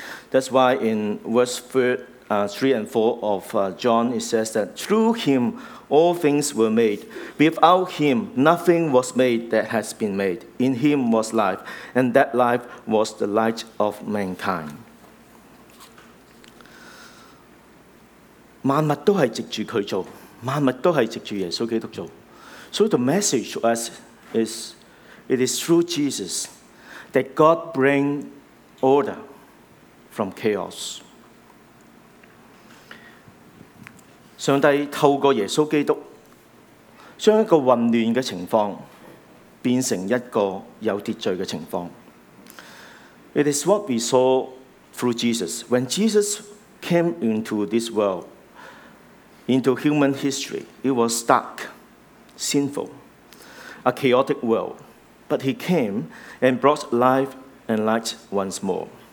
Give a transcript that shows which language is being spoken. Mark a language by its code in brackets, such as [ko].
[en] That's why in verse 3 and 4 of John, it says that through Him, all things were made. Without Him, nothing was made that has been made. In Him was life, and that life was the light of mankind. [zh] 万物都是藉着祂做，万物都是藉着耶稣基督做. [en] So the message to us is, it is through Jesus that God bring order from chaos. [zh] 上帝透過耶穌基督，將一個混亂的情況變成一個有秩序的情況。 [en] It is what we saw through Jesus. When Jesus came into this world, into human history, it was dark, sinful, a chaotic world. But he came and brought life and light once more.